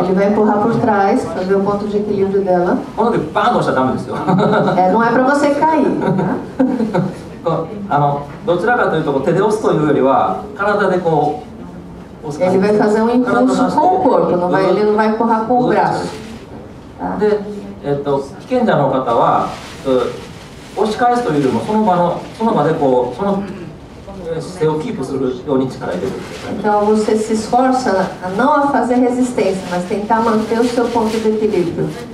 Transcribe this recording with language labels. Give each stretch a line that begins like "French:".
Portuguese: Ele vai empurrar por trás, fazer o ponto de equilíbrio dela.
Japanese: この時バーンと押しちゃダメですよ。
Portuguese: não é para você cair.
Japanese: どちらかというと手で押すというよりは体でこう押す。
Portuguese: Ele vai fazer impulso com o corpo, não vai, ele não vai empurrar com o braço.
Japanese: で、被験者の方は押し返すというよりもその場でこうその
Portuguese: Então você se esforça não a fazer resistência, mas tentar manter o seu ponto de equilíbrio.